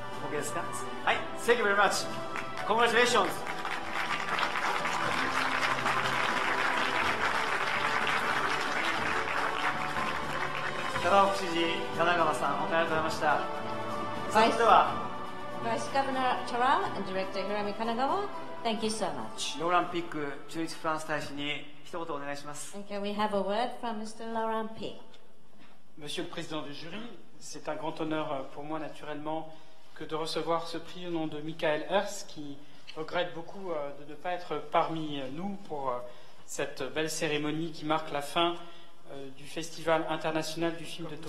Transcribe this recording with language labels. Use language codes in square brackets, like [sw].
[en] OK [ja] ですか？はい、 [en] Thank you very much. Congratulations. [ja] カラオク知事、神奈川さん、おめでとうございました。それでは、 [en] Vice Governor Chara and Director Hiromi Kanagawa, thank you so much. [ja] Laurent Pic, 駐日フランス大使に一言お願いします。 [en] Thank you. We have a word from Mr. Laurent Pic. [fr] Monsieur le Président du Jury, c'est un grand honneur pour moi naturellement que de recevoir ce prix au nom de Michael Hirst, qui regrette beaucoup de ne pas être parmi nous pour cette belle cérémonie qui marque la fin du Festival international du film de Tokyo.